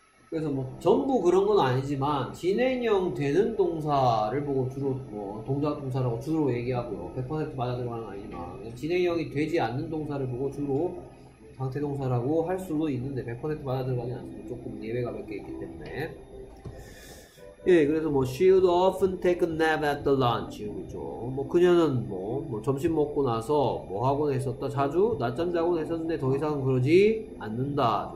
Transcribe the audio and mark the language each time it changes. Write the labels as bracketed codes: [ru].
[ko] 그래서 뭐, 전부 그런 건 아니지만, 진행형 되는 동사를 보고 주로, 뭐, 동작 동사라고 주로 얘기하고요. 100% 맞아 들어가는 건 아니지만, 진행형이 되지 않는 동사를 보고 주로, 상태동사라고 할 수도 있는데 100% 받아들어가지 않습니다. 조금 예외가 몇 개 있기 때문에. 예, 그래서 뭐 [en] she would often take a nap at the lunch. [ko] 그렇죠. 뭐 그녀는 뭐 점심 먹고 나서 뭐 하곤 했었다. 자주 낮잠 자곤 했었는데 더 이상은 그러지 않는다.